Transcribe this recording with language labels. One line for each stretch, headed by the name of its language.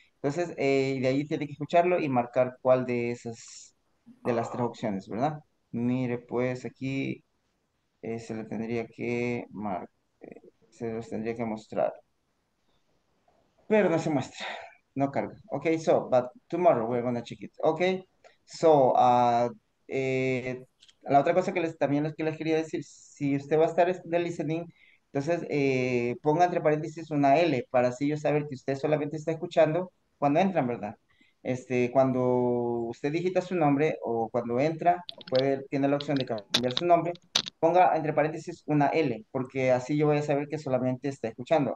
Spanish: Entonces, de ahí tiene que escucharlo y marcar cuál de esas, de las tres opciones, ¿verdad? Mire, pues aquí se le tendría que marcar, se los tendría que mostrar. Pero no se muestra. No carga.
English: Okay, so, but tomorrow we're going to check it.
Spanish: Okay, so, la otra cosa que les también es que les quería decir, si usted va a estar en el listening, entonces ponga entre paréntesis una L para así yo saber que usted solamente está escuchando cuando entran, ¿verdad? Este, cuando usted digita su nombre o cuando entra, puede, tiene la opción de cambiar su nombre, ponga entre paréntesis una L, porque así yo voy a saber que solamente está escuchando.